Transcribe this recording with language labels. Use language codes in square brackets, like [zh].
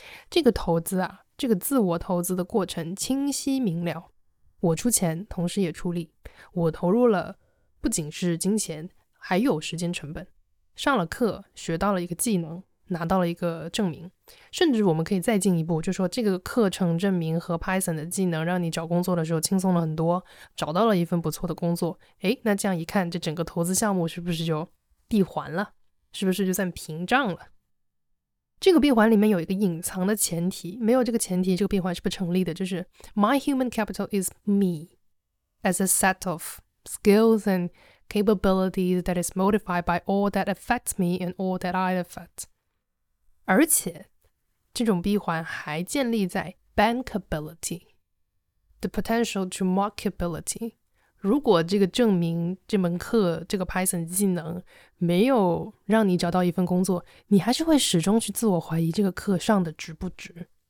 [zh] 这个投资啊，这个自我投资的过程清晰明了，我出钱同时也出力，我投入了不仅是金钱还有时间成本，上了课学到了一个技能，拿到了一个证明，甚至我们可以再进一步，就说这个课程证明和 Python 的技能让你找工作的时候轻松了很多，找到了一份不错的工作。哎，那这样一看，这整个投资项目是不是就闭环了，是不是就算平账了。这个闭环里面有一个隐藏的前提，没有这个前提这个闭环是不成立的，就是 [en] My human capital is me as a set of skills and capabilities that is modified by all that affects me and all that I affect。 [zh] 而且这种闭环还建立在 bankability， [en] the potential to marketability。 [zh] 如果这个证明、这门课、这个 Python 技能没有让你找到一份工作，你还是会始终去自我怀疑这个课上的值不值。